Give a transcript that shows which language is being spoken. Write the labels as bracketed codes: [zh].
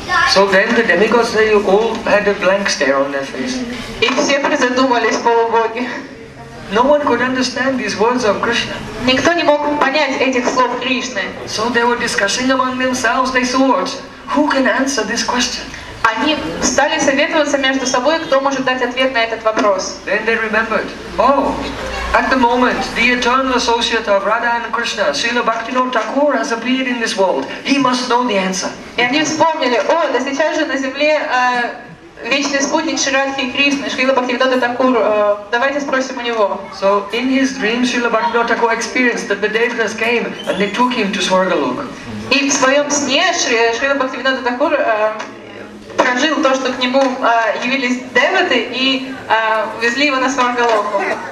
[en] So then the demigods, they all had a blank stare on their face. [ru] И все призадумались, полубоги. [en] No one could understand these words of Krishna. [ru] Никто не мог понять этих слов Кришны. [en] So they were discussing among themselves. They thought, who can answer this question? [ru] Они стали советоваться между собой, кто может дать ответ на этот вопрос. [en] Then they remembered, oh, at the moment, the eternal associate of Radha and Krishna, Srila Bhaktivinoda Thakura, has appeared in this world. He must know the answer. [ru] И они вспомнили, о, да сейчас же на земле. Вечный спутник Шрадхи Кришны, Шрила Бхактивинода Такур, давайте спросим у него. [en] So in his dream, Шрила Бхактивинода Такур experienced that the devas came and they took him to Swargalok. [ru] И в своем сне Шрила Бхактивинода Такур прожил то, что к нему явились деваты и увезли его на Сваргалоку.